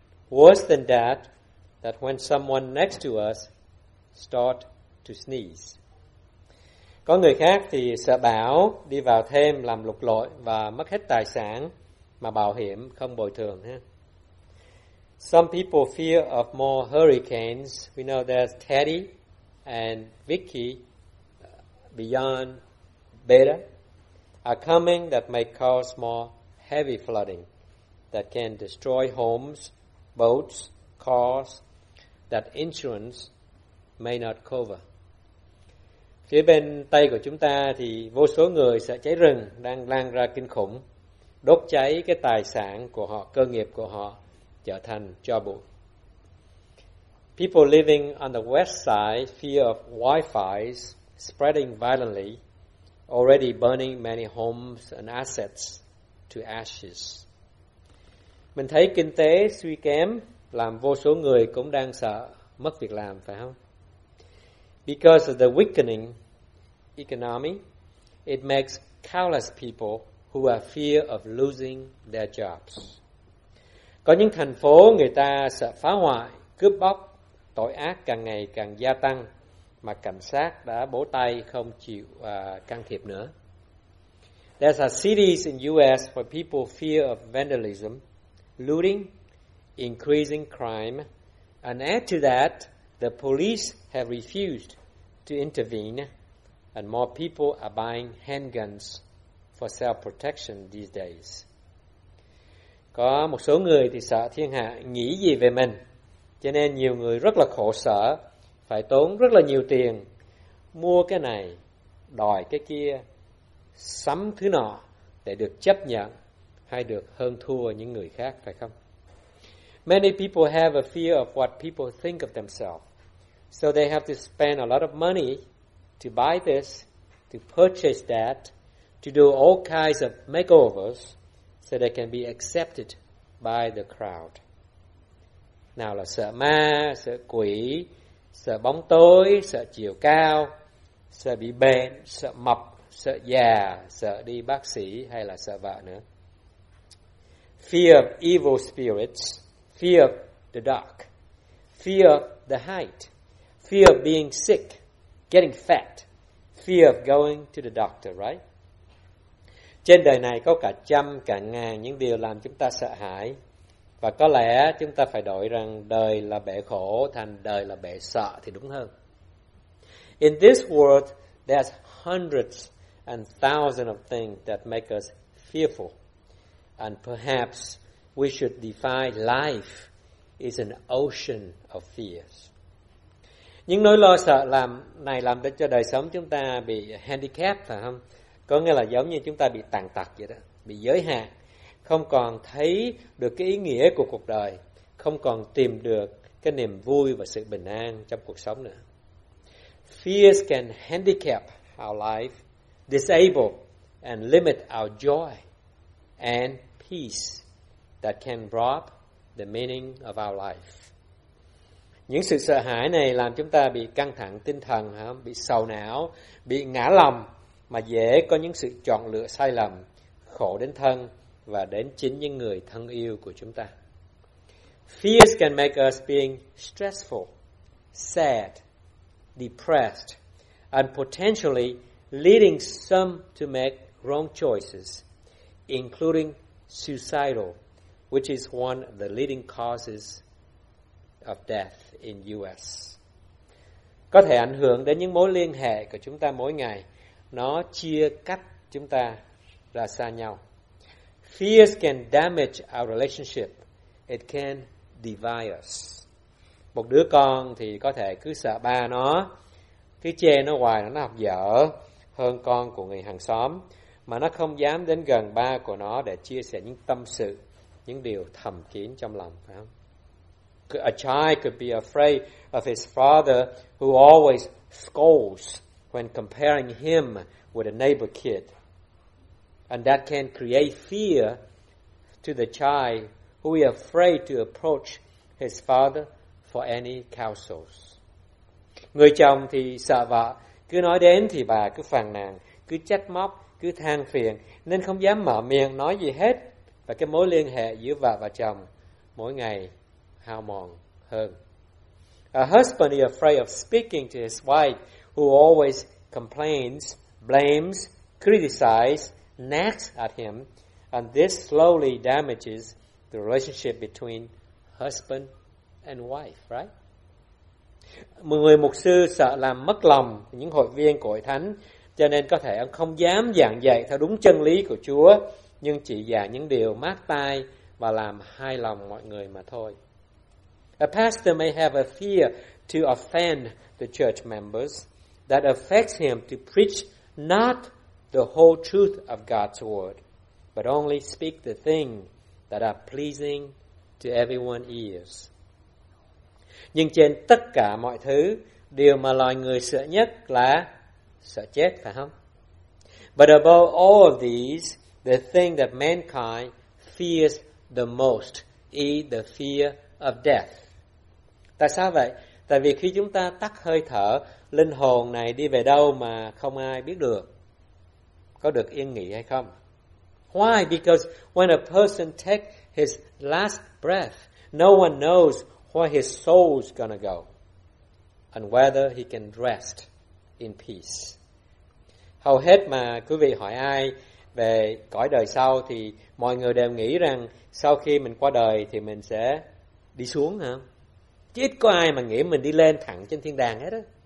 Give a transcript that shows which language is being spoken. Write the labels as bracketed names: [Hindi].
[English] Worse than that, that when someone next to us start to sneeze. [Vietnamese] Có người khác thì sợ bão đi vào thêm làm lụt lội và mất hết tài sản mà bảo hiểm không bồi thường ha. [English] Some people fear of more hurricanes. We know there's Teddy and Vicky beyond Beta are coming that may cause more heavy flooding that can destroy homes, boats, cars that insurance may not cover. [Vietnamese] Phía bên Tây của chúng ta thì vô số người sợ cháy rừng đang lan ra kinh khủng, đốt cháy cái tài sản của họ, cơ nghiệp của họ trở thành tro bụi. [English] People living on the west side fear of Wi-Fi spreading violently, already burning many homes and assets to ashes. [Vietnamese] Mình thấy kinh tế suy kém làm vô số người cũng đang sợ mất việc làm, phải không? [English] Because of the weakening economy, it makes countless people who are fear of losing their jobs. [Vietnamese] Có những thành phố người ta sợ phá hoại, cướp bóc, tội ác càng ngày càng gia tăng, mà cảnh sát đã bổ tay không chịu can thiệp nữa. [English] There are cities in US where people fear of vandalism, looting, increasing crime, and add to that, the police have refused to intervene, and more people are buying handguns for self-protection these days. [Vietnamese] Có một số người thì sợ thiên hạ nghĩ gì về mình, cho nên nhiều người rất là khổ sở, phải tốn rất là nhiều tiền mua cái này, đòi cái kia, sắm thứ nọ để được chấp nhận hay được hơn thua những người khác, phải không? [English] Many people have a fear of what people think of themselves. So they have to spend a lot of money to buy this, to purchase that, to do all kinds of makeovers so they can be accepted by the crowd. [Vietnamese] Nào là sợ ma, sợ quỷ, sợ bóng tối, sợ chiều cao, sợ bị bệnh, sợ mập, sợ già, sợ đi bác sĩ hay là sợ vợ nữa. [English] Fear of evil spirits, fear of the dark, fear of the height, fear of being sick, getting fat, fear of going to the doctor, right? [Vietnamese] Trên đời này có cả trăm, cả ngàn những điều làm chúng ta sợ hãi. Và có lẽ chúng ta phải đổi rằng đời là bể khổ thành đời là bể sợ thì đúng hơn. [English] In this world, there's hundreds and thousands of things that make us fearful. And perhaps we should define life is an ocean of fears. [Vietnamese] Những nỗi lo sợ làm này làm cho đời sống chúng ta bị handicap, phải không? Có nghĩa là giống như chúng ta bị tàn tật vậy đó, bị giới hạn. Không còn thấy được cái ý nghĩa của cuộc đời, không còn tìm được cái niềm vui và sự bình an trong cuộc sống nữa. [English] Fears can handicap our life, disable and limit our joy and peace that can rob the meaning of our life. [Vietnamese] Những sự sợ hãi này làm chúng ta bị căng thẳng tinh thần, bị sầu não, bị ngã lòng, mà dễ có những sự chọn lựa sai lầm, khổ đến thân và đến chính những người thân yêu của chúng ta. [English] Fears can make us being stressful, sad, depressed, and potentially leading some to make wrong choices, including suicidal, which is one of the leading causes of death in US. [Vietnamese] Có thể ảnh hưởng đến những mối liên hệ của chúng ta mỗi ngày. Nó chia cách chúng ta ra xa nhau. [English] Fears can damage our relationship. It can divide us. [Vietnamese] Một đứa con thì có thể cứ sợ ba nó, cứ chê nó hoài, nó học dở hơn con của người hàng xóm, mà nó không dám đến gần ba của nó để chia sẻ những tâm sự, những điều thầm kín trong lòng. Phải không? [English] A child could be afraid of his father who always scolds when comparing him with a neighbor kid. And that can create fear to the child who is afraid to approach his father for any counsels. [Vietnamese] Người chồng thì sợ vợ, cứ nói đến thì bà cứ phàn nàn, cứ trách móc, cứ than phiền, nên không dám mở miệng nói gì hết. Và cái mối liên hệ giữa vợ và chồng mỗi ngày hao mòn hơn. [English] A husband is afraid of speaking to his wife who always complains, blames, criticizes, nags at him, and this slowly damages the relationship between husband and wife, right? [Vietnamese] Một người mục sư sợ làm mất lòng những hội viên của hội thánh, cho nên có thể ông không dám giảng dạy theo đúng chân lý của Chúa, nhưng chỉ giảng những điều mát tai và làm hài lòng mọi người mà thôi. [English] A pastor may have a fear to offend the church members that affects him to preach not the whole truth of God's word, but only speak the thing that are pleasing to everyone's ears. [Vietnamese] Nhưng trên tất cả mọi thứ, điều mà loài người sợ nhất là sợ chết, phải không? [English] But above all of these, the thing that mankind fears the most is the fear of death. [Vietnamese] Tại sao vậy? Tại vì khi chúng ta tắt hơi thở, linh hồn này đi về đâu mà không ai biết được, có được yên nghỉ hay không? [English] Why? Because when a person takes his last breath, no one knows where his soul's gonna go and whether he can rest in peace. [Vietnamese] Hầu hết mà quý vị hỏi ai về cõi đời sau thì mọi người đều nghĩ rằng sau khi mình qua đời thì mình sẽ đi xuống hả? Chứ ít có ai mà nghĩ mình đi lên thẳng trên thiên đàng hết á.